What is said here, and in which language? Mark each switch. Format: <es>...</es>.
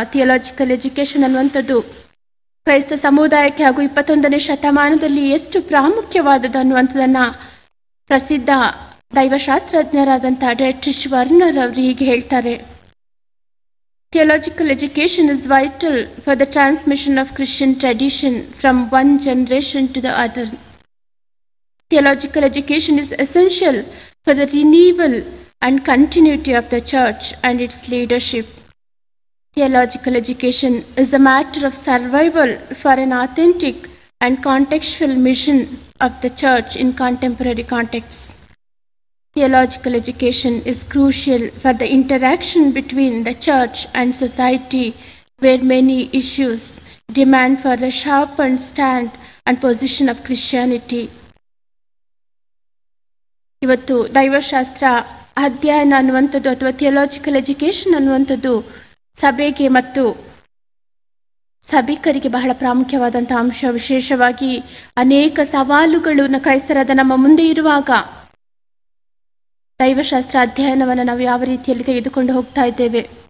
<en>Theological education ಅನ್ನುವಂಥದ್ದು ಕ್ರೈಸ್ತ ಸಮುದಾಯಕ್ಕೆ ಹಾಗೂ 21ನೇ ಶತಮಾನದಲ್ಲಿ ಎಷ್ಟು ಪ್ರಾಮುಖ್ಯವಾದದ್ದು ಅನ್ನುವಂಥದ್ದನ್ನು ಪ್ರಸಿದ್ಧ ದೈವಶಾಸ್ತ್ರಜ್ಞರಾದಂಥ ಡೆಟ್ರಿಚ್ ವರ್ನರ್ ಅವರು ಹೀಗೆ ಹೇಳ್ತಾರೆ, theological education is vital for the transmission of Christian tradition from one generation to the other. Theological education is essential for the renewal and continuity of the church and its leadership. Theological education is a matter of survival for an authentic and contextual mission of the church in contemporary contexts. Theological education is crucial for the interaction between the church and society, where many issues demand for a sharpened stand and position of Christianity.</en> <kn>ಇವತ್ತು ದೈವಶಾಸ್ತ್ರ ಅಧ್ಯಯನ ಅನ್ನುವಂಥದ್ದು ಅಥವಾ theological education ಅನ್ನುವಂಥದ್ದು ಸಭೆಗೆ ಮತ್ತು ಸಭಿಕರಿಗೆ ಬಹಳ ಪ್ರಾಮುಖ್ಯವಾದಂಥ ಅಂಶ. ವಿಶೇಷವಾಗಿ ಅನೇಕ ಸವಾಲುಗಳು ಕ್ರೈಸ್ತರಾದ ನಮ್ಮ ಮುಂದೆ ಇರುವಾಗ ದೈವಶಾಸ್ತ್ರ ಅಧ್ಯಯನವನ್ನು ನಾವು ಯಾವ ರೀತಿಯಲ್ಲಿ ತೆಗೆದುಕೊಂಡು ಹೋಗ್ತಾ ಇದ್ದೇವೆ.</kn>